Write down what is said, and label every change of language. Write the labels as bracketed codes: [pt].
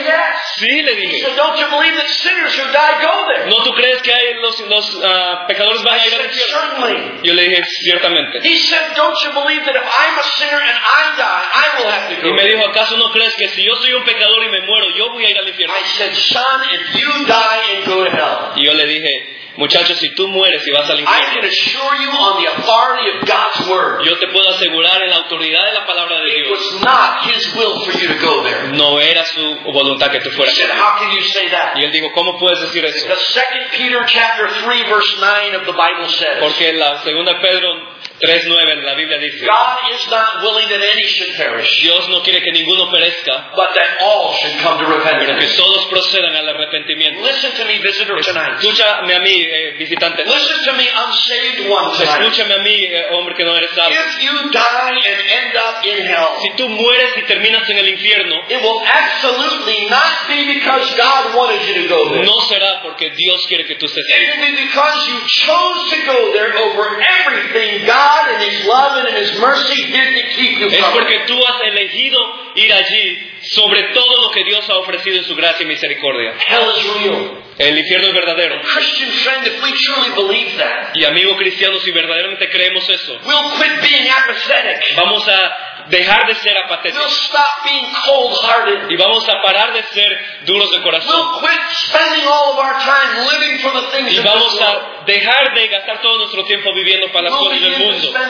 [en] I said, "Yes." [es] Sí, le dije. [en] He said, "Don't you believe that sinners who die go there?" [es] ¿No tú crees que hay los pecadores van a ir al infierno? [en] Certainly. [es] Yo le dije, "Ciertamente." [en] He said, "Don't you believe that if I'm a sinner and I die, I will have to go?" [es] Y me dijo, "¿Acaso no crees que si yo soy un pecador y me muero, yo voy a ir al infierno?" [en] I said, "Son, if you die and go to hell." [es] Y yo le dije, muchachos, si tú mueres y vas al infierno, yo te puedo asegurar en la autoridad de la palabra de Dios. [en] It was not his will for you to go there. [es] No era su voluntad que tú fueras. [en] He said, "How can you say that?" [es] Y él dijo, ¿cómo puedes decir eso? [en] The 2 Peter chapter 3 verse 9 of the Bible says. [es] Porque la segunda Pedro 3:9 la Biblia dice, [en] God is not willing that any should perish. [es] Dios no quiere que ninguno perezca, [en] but that all should come to repentance. [es] Pero que todos procedan al arrepentimiento. [en] Listen to me, visitor tonight. [es] Escúchame a mí, visitante. [en] Listen to me, unsaved one tonight. [es] Escúchame a mí, hombre que no eres salvo. [en] If you die and end up in hell, [es] si tú mueres y terminas en el infierno, [en] it will absolutely not be because God wanted you to go there. [es] No será porque Dios quiere que tú estés ahí. [en] It will be because you chose to go there over everything God. God in His love and in His mercy didn't keep you from. [es] Es porque tú has elegido ir allí sobre todo lo que Dios ha ofrecido en su gracia y misericordia. [en] Hell is real. [es] El infierno es verdadero. [en] Christian friend, if we truly believe that, [es] y amigo cristiano, si verdaderamente creemos eso, [en] we'll quit being apathetic. [es] Vamos a dejar de ser apatético. [en] We'll stop being cold-hearted. [es] Y vamos a parar de ser duros de corazón. [en] We'll quit spending all of our time living for the things [es] y vamos a dejar de gastar todo nuestro tiempo viviendo para las cosas del mundo.